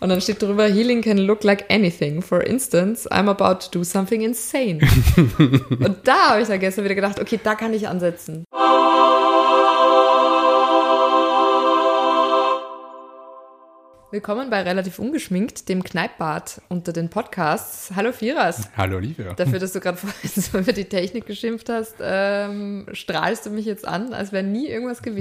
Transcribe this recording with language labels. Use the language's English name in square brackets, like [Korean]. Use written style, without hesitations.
[German] Und dann steht drüber, [English] healing can look like anything. For instance, I'm about to do something insane. [German] Und da habe ich dann gestern wieder gedacht, okay, da kann ich ansetzen. Willkommen bei Relativ Ungeschminkt, dem Kneippbad unter den Podcasts. Hallo Firas. Hallo Olivia. Dafür, dass du gerade vorhin so über die Technik geschimpft hast, strahlst du mich jetzt an, als wäre nie irgendwas gewesen.